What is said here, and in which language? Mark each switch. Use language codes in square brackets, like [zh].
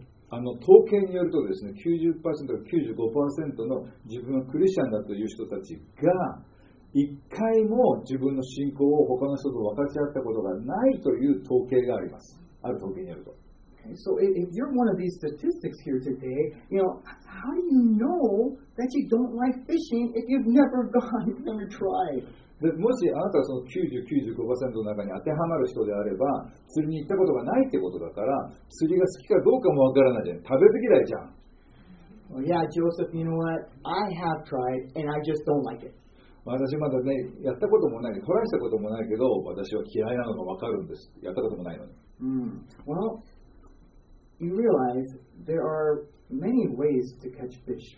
[ja] 統計によるとですね、90% か 95% の自分はクリスチャンだという人たちが、一回も自分の信仰を他の人と分かち合ったことがないという統計があります。ある統計によると。 [en] Okay, so if you're one of these statistics here today, you know, how do you know that you don't like fishing if you've never gone, never tried? [ja] でもしあなたがその 90-95% の中に当てはまる人であれば、釣りに行ったことがないってことだから、釣りが好きかどうかも分からないじゃん。食べず嫌いじゃん。 [en] Well, yeah, Joseph, you know what? I have tried and I just don't like it. [ja] 私まだね、やったこともない、トライしたこともないけど、私は嫌いなのが分かるんです。やったこともないのに。 [en] Well, you realize there are many ways to catch fish,